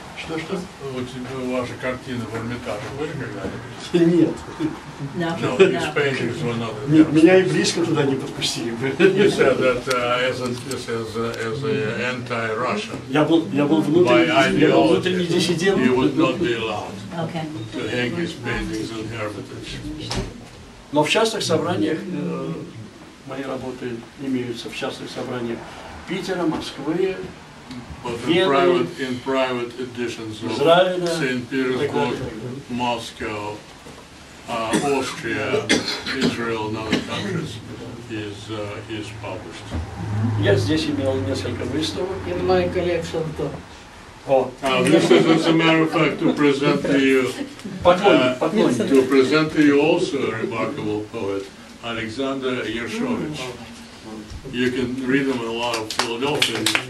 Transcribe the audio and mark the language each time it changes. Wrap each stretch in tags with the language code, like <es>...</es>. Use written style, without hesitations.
<ru>Ваши картины в Эрмитаже были когда-нибудь? Нет.</ru> <en>No, these paintings were not.</en> <ru>Нет, меня и близко туда не подпустили бы.</ru> <en>You said that as an anti-Russian.</en> <ru>Я был внутренний диссидент.</ru> <en>You would not be allowed to hang these paintings in Hermitage.</en> <ru>Но в частных собраниях мои работы имеются в частных собраниях Питера, Москвы.</ru> <en>But in private editions of Israel, St. Petersburg, Moscow, Austria, Israel, and other countries, is published.</en> <ru>Yes, здесь имел несколько выставок.</ru> <en>In my collection, too. This is, as a matter of fact, to present to you, to present to you also a remarkable poet, Alexander Yershovich. You can read him in a lot of Philadelphia.</en>